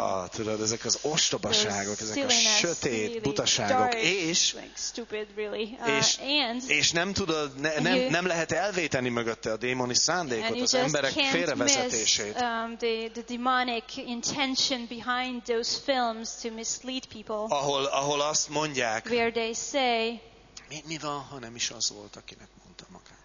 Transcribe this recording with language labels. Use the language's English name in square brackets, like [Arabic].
[Hungarian] Tudod, ezek az ostobaságok, ezek a sötét [English] really [Hungarian] butaságok, és [English] like stupid, really. [Hungarian] És nem tudod, nem lehet elvéteni mögötte a démoni szándékot, az emberek félrevezetését. [English] The demonic intention behind those films to mislead people. [Hungarian] Ahol azt mondják, [English] where they say, [Hungarian] mi van, ha nem is az volt, akinek mondta magát?